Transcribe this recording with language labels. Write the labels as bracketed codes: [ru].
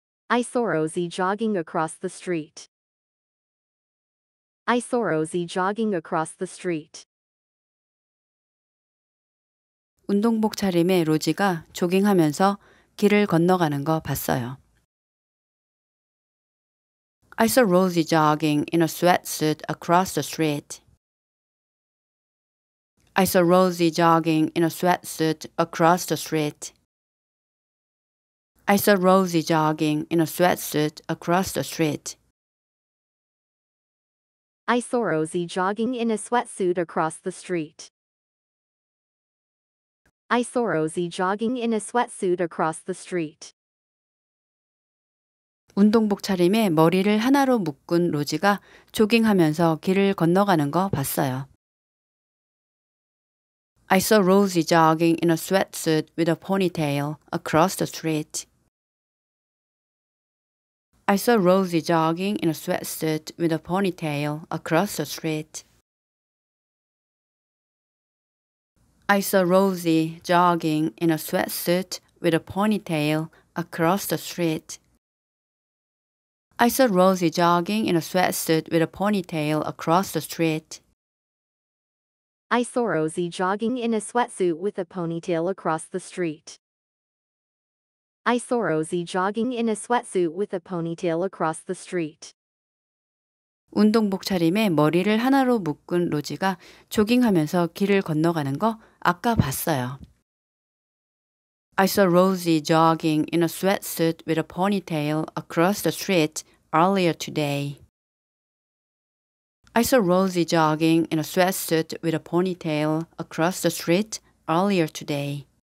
[en] I saw Rosy jogging across the street. I saw Rosy jogging across the street. [ko] 운동복 차림에 로지가 조깅하면서 길을 건너가는 거 봤어요. [en] I saw Rosy jogging in a sweatsuit across the street. I saw Rosy jogging in a sweatsuit across the street. I saw Rosy jogging in a sweatsuit across the street. I saw Rosy jogging in a sweatsuit across the street. I saw Rosy jogging in a sweatsuit across the street. [ko] 운동복 차림에 머리를 하나로 묶은 로지가 조깅하면서 길을 건너가는 거 봤어요. [en] I saw Rosy jogging in a sweatsuit with a ponytail across the street. I saw Rosy jogging in a sweatsuit with a ponytail across the street. I saw Rosy jogging in a sweatsuit with a ponytail across the street. I saw Rosy jogging in a sweatsuit with a ponytail across the street. I saw Rosy jogging in a sweatsuit with a ponytail across the street. I saw Rosy jogging in a sweatsuit with a ponytail across the street. [ko] 운동복 차림에 머리를 하나로 묶은 로지가 조깅하면서 길을 건너가는 거 아까 봤어요. [en] I saw Rosy jogging in a sweatsuit with a ponytail across the street earlier today. I saw Rosy jogging in a sweatsuit with a ponytail across the street earlier today.